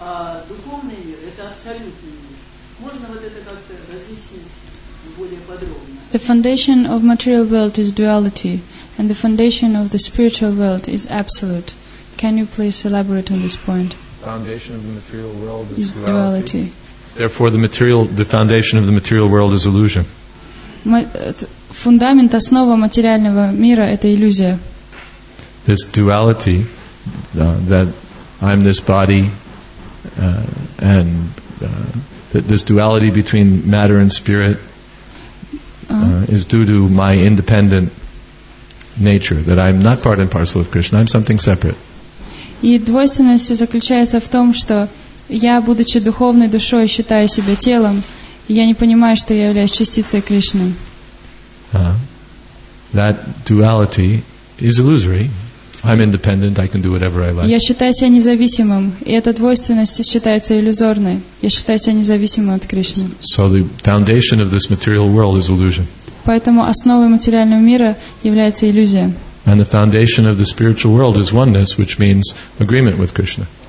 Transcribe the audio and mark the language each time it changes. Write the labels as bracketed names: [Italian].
[Russian] А духовный мир – это абсолютный мир. Можно вот это как-то разъяснить более подробно? [English] The foundation of material world is duality, and the foundation of the spiritual world is absolute. Can you please elaborate on this point? Foundation of the material world is duality. Therefore, the foundation of the material world is illusion. [Russian] Фундамент, основа материального мира – это иллюзия. [English] This duality, that I'm this body, this duality between matter and spirit is due to my independent nature, that I'm not part and parcel of Krishna, I'm something separate. [Russian] И двойственность заключается в том, что я, будучи духовной душой, считаю себя телом, и я не понимаю, что я являюсь частицей Кришны. [English] that duality is illusory. I'm independent, I can do whatever I like. [Russian] Я считаю себя независимым, и эта двойственность считается иллюзорной. Я считаю себя независимым от Кришны. [English] So the foundation of this material world is illusion. [Russian] Поэтому основой материального мира является иллюзия. [English] And the foundation of the spiritual world is oneness, which means agreement with Krishna.